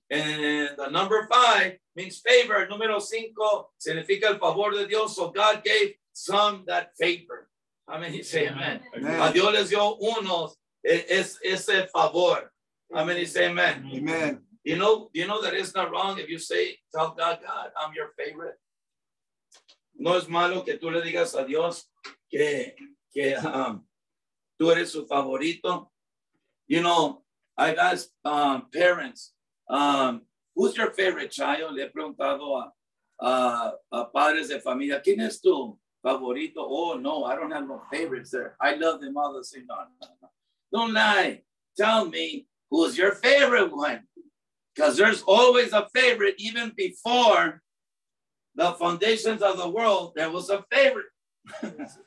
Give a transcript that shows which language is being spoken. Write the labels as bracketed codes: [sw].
[en] And the number five means favor. [es] Número cinco significa el favor de Dios. [en] So God gave some that favor. I mean, you say amen. Amen. [es] A Dios les dio unos ese favor. [en] I mean, you say amen. Amen. You know that it's not wrong if you say, tell God, God, I'm your favorite. [es] No es malo que tú le digas a Dios que tú eres su favorito. [en] You know, I've asked parents, who's your favorite child? [es] Le he preguntado a padres de familia, ¿quién es tú? Favorito. [en] Oh, no, I don't have no favorites there. I love them all the same. No. Don't lie. Tell me who's your favorite one. Because there's always a favorite. Even before the foundations of the world, there was a favorite.